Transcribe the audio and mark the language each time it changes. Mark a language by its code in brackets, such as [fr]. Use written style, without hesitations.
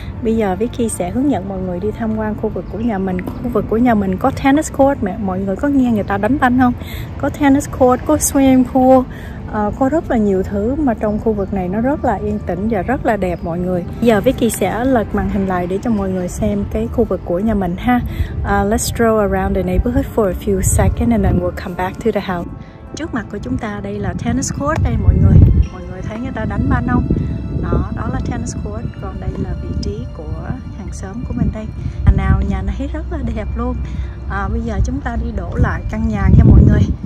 [vi] Bây giờ Vicky sẽ hướng dẫn mọi người đi tham quan khu vực của nhà mình. Khu vực của nhà mình có tennis court, mọi người có nghe người ta đánh banh không? Có tennis court, có swimming pool. Có rất là nhiều thứ mà trong khu vực này nó rất là yên tĩnh và rất là đẹp mọi người. Giờ Vicky sẽ lật màn hình lại để cho mọi người xem cái khu vực của nhà mình ha. [en] Let's stroll around the neighborhood for a few seconds and then we'll come back to the house. [vi] Trước mặt của chúng ta đây là tennis court đây mọi người. Mọi người thấy người ta đánh banh không? Đó là tennis court. Còn đây là vị trí của hàng xóm của mình đây. Nào nhà này rất là đẹp luôn. Bây giờ chúng ta đi đổ lại căn nhà nha mọi người.